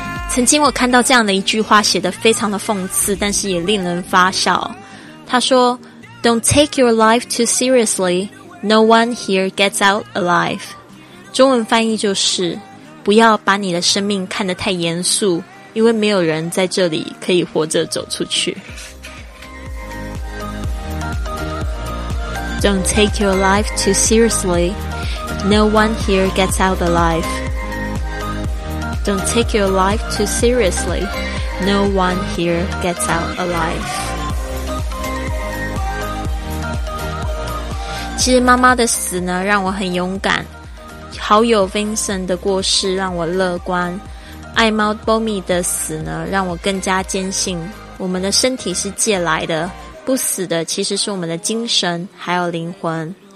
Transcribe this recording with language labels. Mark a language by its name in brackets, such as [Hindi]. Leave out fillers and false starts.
[Chinese] 曾经我看到这样的一句话，写得非常的讽刺，但是也令人发笑。他说 [English] Don't take your life too seriously, no one here gets out alive. [Chinese] 中文翻译就是，不要把你的生命看得太严肃，因为没有人在这里可以活着走出去。 [English] Don't take your life too seriously, no one here gets out alive. Don't take your life too seriously, no one here gets out alive. [Chinese] 其实妈妈的死呢让我很勇敢，好友 Vincent 的过世让我乐观，爱猫 Bomi 的死呢让我更加坚信我们的身体是借来的，不死的其实是我们的精神还有灵魂。